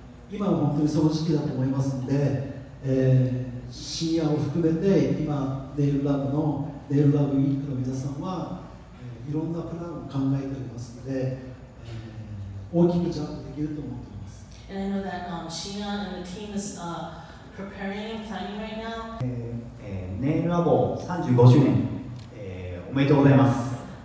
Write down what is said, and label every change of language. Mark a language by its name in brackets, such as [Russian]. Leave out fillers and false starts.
[Japanese] 今は本当にその時期だと思いますので、深夜を含めて今ネイルラブのネイルラブウィークの皆さんは、いろんなプランを考えておりますので、大きくジャンプできると思っています。 [English] And I know that Shia and the team is preparing and planning right now. [Japanese] ネイルラボ35周年、おめでとうございます。